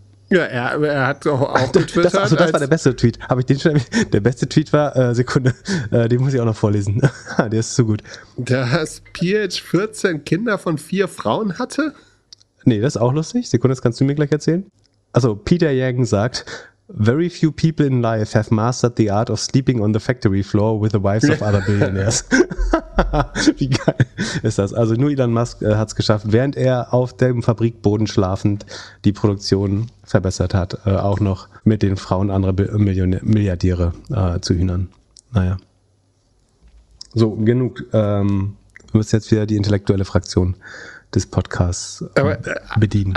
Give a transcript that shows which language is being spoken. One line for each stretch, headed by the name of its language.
German: Ja, er hat auch getwittert. Das war der beste Tweet. Habe ich den schon? Der beste Tweet war, den muss ich auch noch vorlesen. Der ist zu gut. Dass PH 14 Kinder von 4 Frauen hatte? Nee, das ist auch lustig. Sekunde, das kannst du mir gleich erzählen. Also, Peter Yang sagt,
English: very few people in life have mastered the art of sleeping on the factory floor with the wives of other billionaires.
German: Wie geil ist das? Also, nur Elon Musk hat es geschafft, während er auf dem Fabrikboden schlafend die Produktion verbessert hat, auch noch mit den Frauen anderer Milliardäre zu hühnern. Naja. So, genug. Du bist jetzt wieder die intellektuelle Fraktion des Podcasts bedienen.